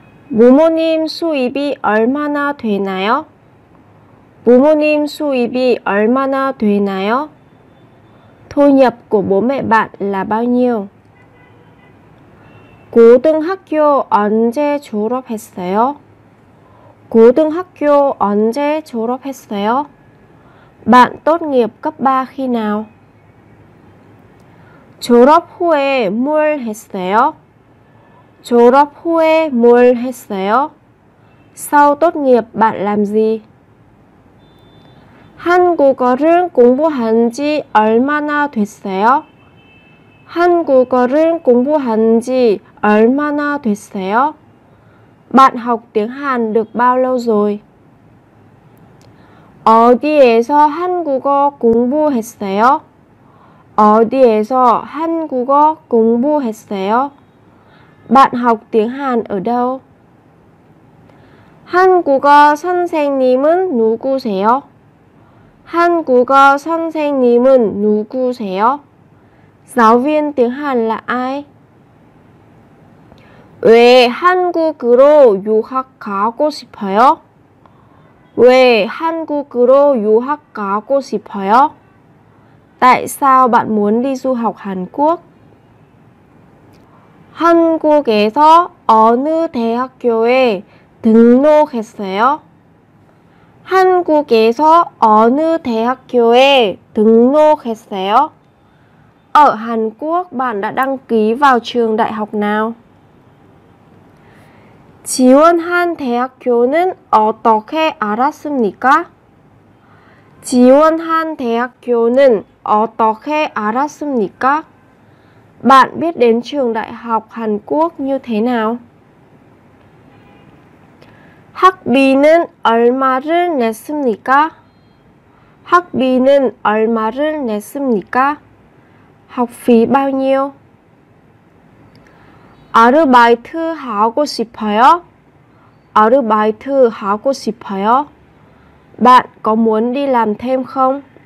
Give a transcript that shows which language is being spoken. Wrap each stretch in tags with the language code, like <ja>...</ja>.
<ko>부모님 수입이 얼마나 되나요? 부모님 수입이 얼마나 되나요?</ko> <vi>Thu nhập của bố mẹ bạn là bao nhiêu?</vi> <ko>고등학교 언제 졸업했어요? 고등학교 언제 졸업했어요?</ko> <vi>Bạn tốt nghiệp cấp 3 khi nào?</vi> <ko>졸업 후에 뭘 했어요? 졸업 후에 뭘 했어요?</ko> <vi>Sau tốt nghiệp bạn làm gì?</vi> <ko>한국어를 공부한 지 얼마나 됐어요? 한국어를 공부한 지 얼마나 됐어요?</ko> <vi>Bạn học tiếng Hàn được bao lâu rồi?</vi> <ko>어디에서 한국어 공부했어요? 어디에서 한국어 공부했어요?</ko> <vi>Bạn học tiếng Hàn ở đâu?</vi> <ko>한국어 선생님은 누구세요? 한국어 선생님은 누구세요?</ko> <vi>Giáo viên tiếng Hàn là ai?</vi> <ko>왜 한국으로 유학 가고 싶어요? 왜 한국으로 유학 가고 싶어요?</ko> <vi>Tại sao bạn muốn đi du học Hàn Quốc?</vi> <ko>한국에서 어느 대학교에 등록했어요? 한국에서 어느 대학교에 등록했어요?</ko> <vi>Ở Hàn Quốc bạn đã đăng ký vào trường đại học nào?</vi> <ko>지원한 대학교는 어떻게 알았습니까? 지원한 대학교는 어떻게 알았습니까?</ko> <vi>Bạn biết đến trường đại học Hàn Quốc như thế nào?</vi> <ko>학비는 얼마를 냈습니까? 학비는 얼마를 냈습니까?</ko> <vi>Học phí bao nhiêu?</vi> <ko>아르바이트 하고 싶어요? 아르바이트 하고 싶어요?</ko> <vi>Bạn có muốn đi làm thêm không?</vi>